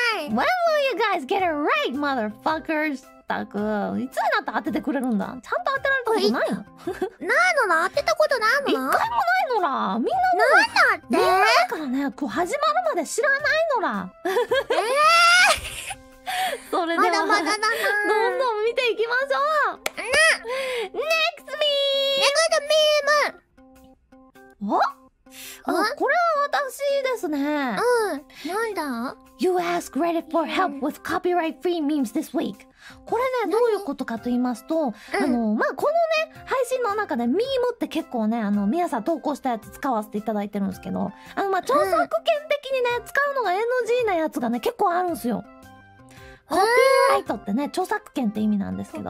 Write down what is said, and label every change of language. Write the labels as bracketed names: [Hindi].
[English] When will you guys get it right, motherfuckers? [Japanese] たく、いつになったら当ててくれるんだ。ちゃんと当てられたことないの。ないのな、当てたことないの。一回もないのな。みんなもなんだって。みんなだからね、こう始まるまで知らないのな。それでは、まだまだだな。どんどん見ていきましょう。 [English] Next meme。 Next meme。 [Japanese] お？これは私ですね。うん。なんだ？ [English] You ask Reddit for help with copyright free memes this week. [Japanese] これね、どういうことかと言いますと、まあ、このね、配信の中でミームって結構ね、皆さん投稿したやつ使わせていただいてるんですけど、まあ、著作権的にね、使うのが NG なやつがね、結構あるんですよ。コピーライトってね、著作権って意味なんですけど。